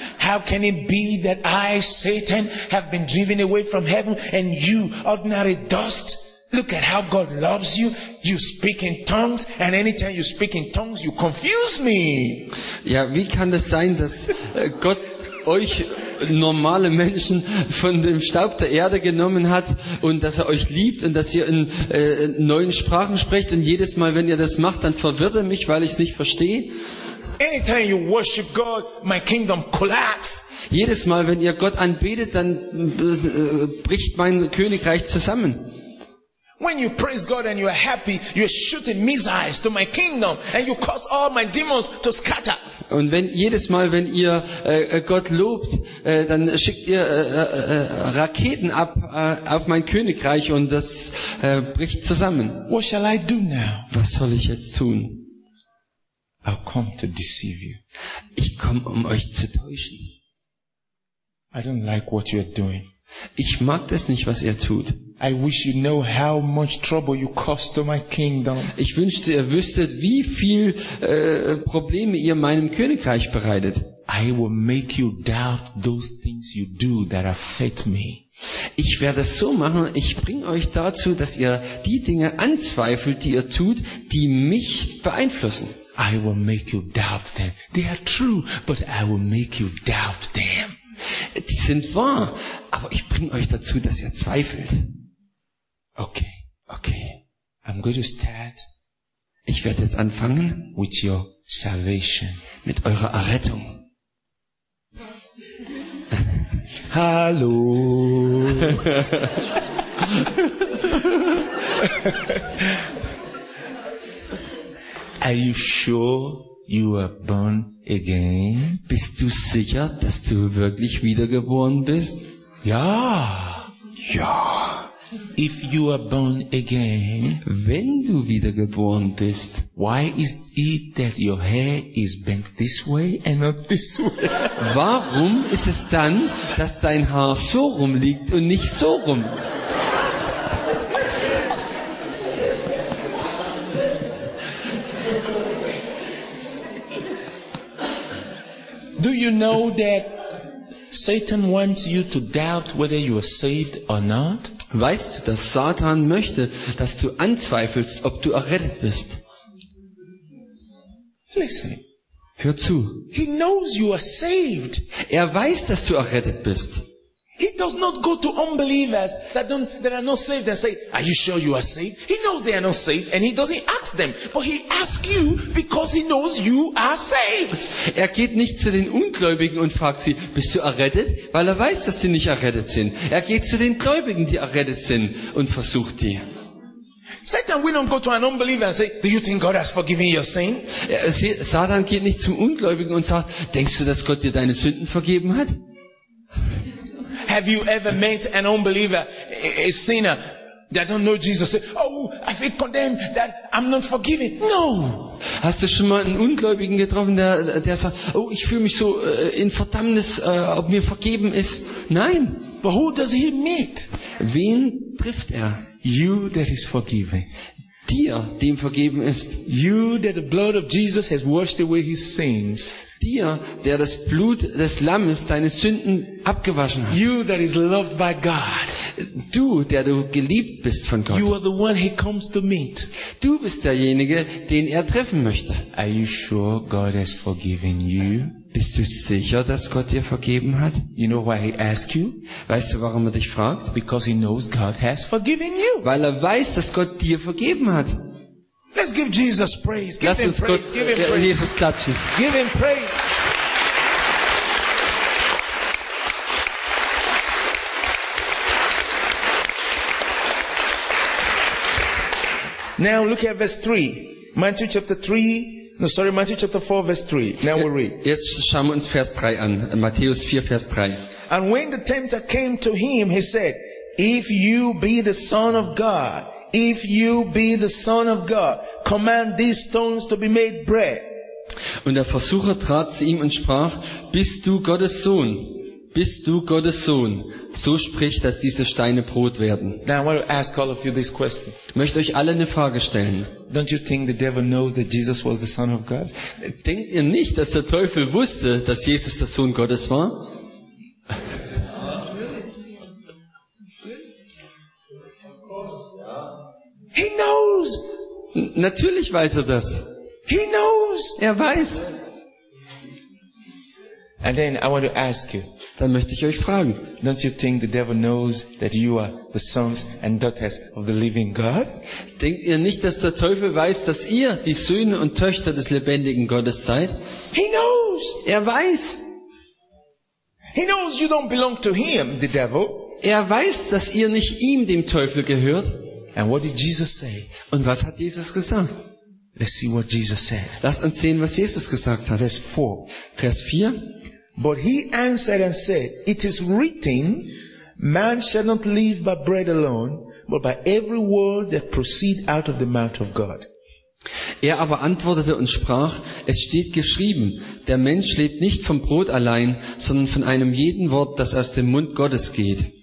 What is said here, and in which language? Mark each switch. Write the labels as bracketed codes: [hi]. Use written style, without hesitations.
[en] How can it be that I, Satan, have been driven away from heaven and you, ordinary dust, Look at how God loves you. You speak in tongues, and anytime you speak in tongues, you confuse me. [de] Ja, wie kann das sein, dass Gott euch normale Menschen von dem Staub der Erde genommen hat und dass er euch liebt und dass ihr in neuen Sprachen sprecht und jedes Mal, wenn ihr das macht, dann verwirrt er mich, weil ich es nicht verstehe. [en] Anytime you worship God, my kingdom collapses. [de] Jedes Mal, wenn ihr Gott anbetet, dann bricht mein Königreich zusammen. [en] When you praise God and you are happy, you are shooting missiles to my kingdom and you cause all my demons to scatter. [de] Und wenn jedes Mal, wenn ihr Gott lobt, dann schickt ihr Raketen ab auf mein Königreich und das bricht zusammen. [en] What shall I do now? [de] Was soll ich jetzt tun? [en] I'll come to deceive you. [de] Ich komme, um euch zu täuschen. [en] I don't like what you are doing. [de] Ich mag das nicht, was ihr tut. [en] I wish you know how much trouble you cause to my kingdom. [de] Ich wünschte, ihr wüsstet, wie viel Probleme ihr meinem Königreich bereitet. [en] I will make you doubt those things you do that affect me. [de] Ich werde es so machen, ich bringe euch dazu, dass ihr die Dinge anzweifelt, die ihr tut, die mich beeinflussen. [en] I will make you doubt them. They are true, but I will make you doubt them. [de] Die sind wahr, aber ich bringe euch dazu, dass ihr zweifelt. [en] Okay, okay. I'm going to start. [de] Ich werde jetzt anfangen [en] with your salvation. [de] Mit eurer Errettung. Hallo. [en] Are you sure you are born again? [de] Bist du sicher, dass du wirklich wiedergeboren bist? Ja. Ja. [en] If you are born again, [de] wenn du wiedergeboren bist, [en] why is it that your hair is bent this way and not this way? [de] Warum ist es dann, dass dein Haar so rum liegt und nicht so rum? [en] Do you know that Satan wants you to doubt whether you are saved or not? [de] Weißt du, dass Satan möchte, dass du anzweifelst, ob du errettet bist? [en] Listen. [de] Hör zu. [en] He knows you are saved. [de] Er weiß, dass du errettet bist. [en] He does not go to unbelievers that are not saved and say, "Are you sure you are saved?" He knows they are not saved and he doesn't ask them, but he asks you because he knows you are saved. [de] Er geht nicht zu den Ungläubigen und fragt sie, "Bist du errettet?" weil er weiß, dass sie nicht errettet sind. Er geht zu den Gläubigen, die errettet sind, und versucht die. [en] Satan will not go to an unbeliever and say, "Do you think God has forgiven your sin?" [de] Satan geht nicht zum Ungläubigen und sagt, "Denkst du, dass Gott dir deine Sünden vergeben hat?" [en] Have you ever met an unbeliever, a sinner, that don't know Jesus? Say, "Oh, I feel condemned that I'm not forgiven." No. [de] Hast du schon mal einen Ungläubigen getroffen, der sagt, "Oh, ich fühle mich so in Verdammnis, ob mir vergeben ist?" Nein. [en] But who does he meet? [de] Wen trifft er? [en] You that is forgiven. [de] Dir, dem vergeben ist. [en] You that the blood of Jesus has washed away his sins. [de] Dir, der das Blut des Lammes deine Sünden abgewaschen hat. [en] You that is loved by God. [de] Du, der du geliebt bist von Gott. [en] You are the one he comes to meet. [de] Du bist derjenige, den er treffen möchte. [en] Are you sure God has forgiven you? [de] Bist du sicher, dass Gott dir vergeben hat? [en] You know why he asks you? [de] Weißt du, warum er dich fragt? [en] Because he knows God has forgiven you. [de] Weil er weiß, dass Gott dir vergeben hat. [en] Let's give Jesus praise. Give [de] Lass [en] him [de] uns [en] praise. [de] Gott [en] give him praise. [de] Jesus klatschen. [en] Give him praise. Now look at verse 3. Matthew chapter 3. No, sorry, Matthew chapter 4, verse 3. Now we read. [de] Jetzt schauen wir uns Vers 3 an. Matthäus 4, Vers 3. [en] And when the tempter came to him, he said, "If you be the Son of God, if you be the Son of God, command these stones to be made bread." [de] Und der Versucher trat zu ihm und sprach, "Bist du Gottes Sohn? Bist du Gottes Sohn? So sprich, dass diese Steine Brot werden." [en] Now I want to ask all of you this question. [de] Möchte euch alle eine Frage stellen. [en] Don't you think the devil knows that Jesus was the Son of God? [de] Denkt ihr nicht, dass der Teufel wusste, dass Jesus der Sohn Gottes war? Ja. [en] He knows. [de] Natürlich weiß er das. [en] He knows. [de] Er weiß. [en] And then I want to ask you. [de] Dann möchte ich euch fragen. [en] Don't you think the devil knows that you are the sons and daughters of the living God? [de] Denkt ihr nicht, dass der Teufel weiß, dass ihr die Söhne und Töchter des lebendigen Gottes seid? [en] He knows. [de] Er weiß. [en] He knows you don't belong to him, the devil. [de] Er weiß, dass ihr nicht ihm, dem Teufel, gehört. [en] And what did Jesus say? [de] Und was hat Jesus gesagt? [en] Let's see what Jesus said. [de] Lass uns sehen, was Jesus gesagt hat. [en] Verse 4. [de] Vers 4. [en] But he answered and said, it is written, man shall not live by bread alone, but by every word that proceeds out of the mouth of God. [de] Er aber antwortete und sprach, es steht geschrieben, der Mensch lebt nicht vom Brot allein, sondern von einem jeden Wort, das aus dem Mund Gottes geht.